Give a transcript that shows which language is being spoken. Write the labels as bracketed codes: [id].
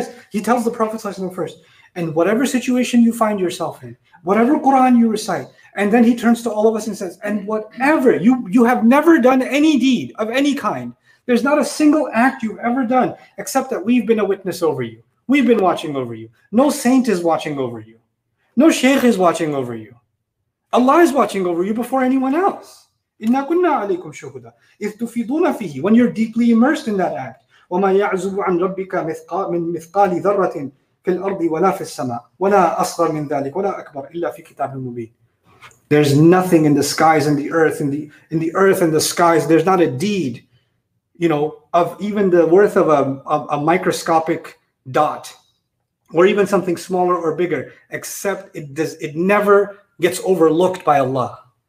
[en] He tells the Prophet ﷺ first, and whatever situation you find yourself in, whatever Quran you recite, and then he turns to all of us and says, and whatever, you have never done any deed of any kind. There's not a single act you've ever done, except that we've been a witness over you. We've been watching over you. No saint is watching over you. No sheikh is watching over you. Allah is watching over you before anyone else. [ar] إِنَّا كُنَّا عَلَيْكُمْ شُهُدًا إِذْ تُفِيضُونَ فِيهِ. [en] When you're deeply immersed in that act, [ar] وَمَا يَعْزُبُ عَنْ رَبِّكَ مِنْ مِثْقَالِ ذَرَّةٍ فِي الْأَرْضِ وَلَا فِي السَّمَاءِ وَلَا أَصْغَرَ مِنْ ذَلِكَ وَلَا أَكْبَرَ إِلَّا فِي كِتَابٍ مُبِينٍ. [en] There's nothing in the skies and the earth, in the earth and the skies, there's not a deed, you know, of even the worth of a microscopic dot, or even something smaller or bigger, except it never gets overlooked by Allah.